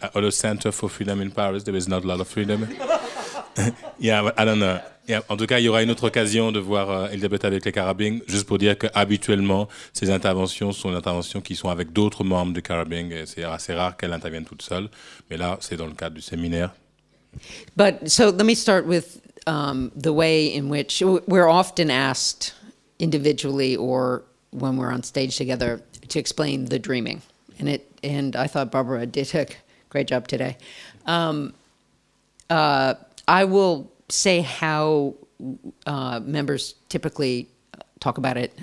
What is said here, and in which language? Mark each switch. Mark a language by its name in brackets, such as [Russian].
[English] Or the Center for Freedom in Paris. There is not a lot of freedom. Yeah, I don't know. Yeah. [French] En tout cas, il y aura une autre occasion de voir Elisabeth avec les Caribbean. Juste pour dire que habituellement, ces interventions sont des interventions qui sont avec d'autres membres du Caribbean. Et c'est assez rare qu'elle intervienne toute seule. Mais là, c'est dans le cadre du séminaire. [English] But so let me start with the way in which we're often asked individually or when we're on stage together to explain the dreaming. And I thought Barbara did a great job today. I will say how members typically talk about it.